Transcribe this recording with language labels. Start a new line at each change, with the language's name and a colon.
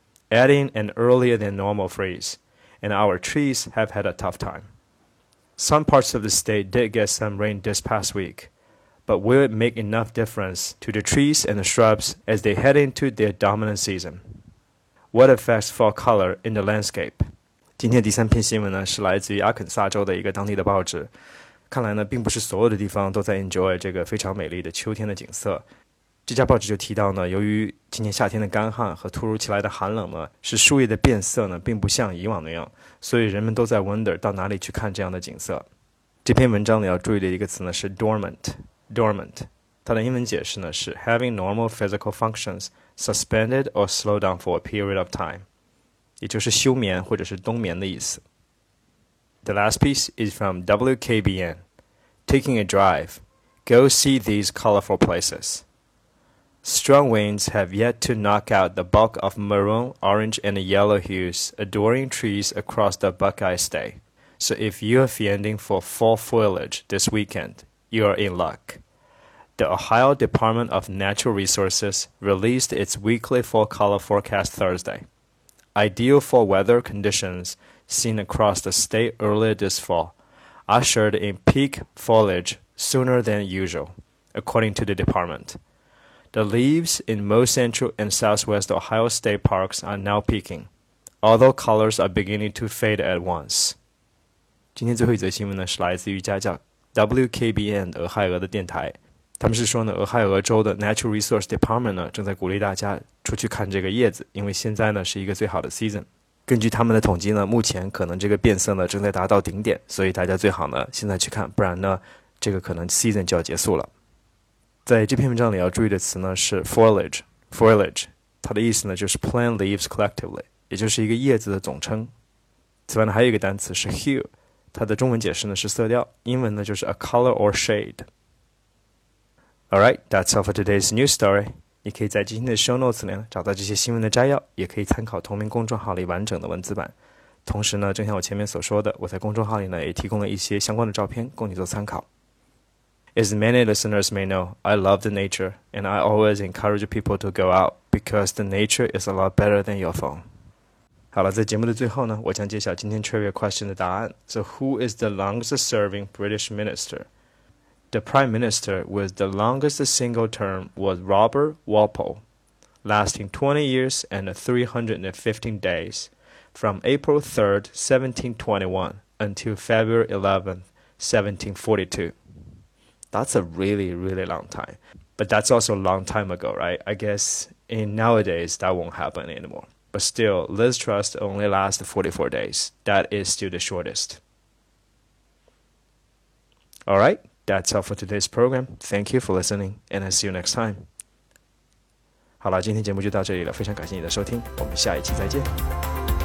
English: Adding an earlier than normal freeze, and our trees have had a tough time. Some parts of the state did get some rain this past week, but will it make enough difference to the trees and the shrubs as they head into their dominant season? What affects fall color in the landscape?
Chinese: 今天第三篇新闻呢，是来自于阿肯萨州的一个当地的报纸。看来呢，并不是所有的地方都在 enjoy 这个非常美丽的秋天的景色。这家报纸就提到呢，由于今年夏天的干旱和突如其来的寒冷呢，使树叶的变色呢并不像以往那样，所以人们都在 wonder 到哪里去看这样的景色。这篇文章里要注意的一个词呢是 dormant， 它的英文解释呢是
English: having normal physical functions suspended or slowed down for a period of time，
Chinese: 也就是休眠或者是冬眠的意思。
English: The last piece is from WKBN. Taking a drive, go see these colorful placesStrong winds have yet to knock out the bulk of maroon, orange, and yellow hues adoring trees across the Buckeye State. So if you are fending for fall foliage this weekend, you are in luck. The Ohio Department of Natural Resources released its weekly fall color forecast Thursday. Ideal fall weather conditions seen across the state earlier this fall ushered in peak foliage sooner than usual, according to the department. The leaves in most central and southwest Ohio State Parks are now peaking, although colors are beginning to fade at once.
Chinese: 今天最后一则新闻呢，是来自于一家叫 WKBN 俄亥俄的电台。他们是说呢，俄亥俄州的 Natural Resource Department 呢，正在鼓励大家出去看这个叶子，因为现在呢是一个最好的 season。根据他们的统计呢，目前可能这个变色呢正在达到顶点，所以大家最好呢现在去看，不然呢这个可能 season 就要结束了。在这篇文章里要注意的词呢是 foliage， 它的意思呢就是
English: plant leaves collectively，
Chinese: 也就是一个叶子的总称。此外呢还有一个单词是 hue， 它的中文解释呢是色调，英文呢就是
English: a color or shade。 Alright, that's all for today's news story.
Chinese: 你可以在今天的 show notes 里找到这些新闻的摘要，也可以参考同名公众号里完整的文字版。同时呢，正像我前面所说的，我在公众号里呢也提供了一些相关的照片供你做参考。
English: As many listeners may know, I love the nature, and I always encourage people to go out, because the nature is a lot better than your phone.
Chinese: 好了，在节目的最后呢，我将揭晓今天 trivia question 的答案。
English: So who is the longest-serving British minister? The prime minister with the longest single term was Robert Walpole, lasting 20 years and 315 days, from April 3rd, 1721, until February 11th, 1742. That's a really, really long time. But that's also a long time ago, right? I guess in nowadays, that won't happen anymore. But still, Liz Truss only lasts 44 days. That is still the shortest. All right, that's all for today's program. Thank you for listening, and I'll see you next time.
Chinese: 好了，今天节目就到这里了。非常感谢你的收听，我们下一期再见。